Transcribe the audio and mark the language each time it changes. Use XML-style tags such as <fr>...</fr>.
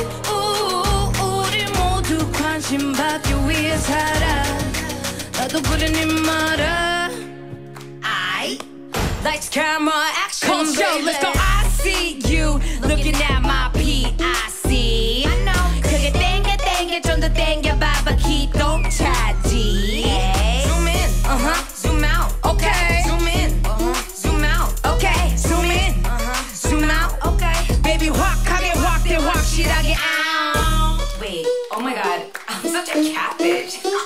<ko>우리 모두 관심 받기 위해 살아 나도 그러니 말아.</ko> <en>Lights, camera, action, baby. Let's go. I see you looking at my PIC. I know.</en> <ko>그게 땡겨 땡겨 좀 더 땡겨 봐봐 키 동차지.</ko> <en>Zoom in, zoom out, okay. Zoom in, zoom out, okay. Zoom in, zoom out, okay. Baby,</en> <ko>확하게 확대 확실하게 out.</ko> <en>Wait, oh my god, I'm such a catfish.</en>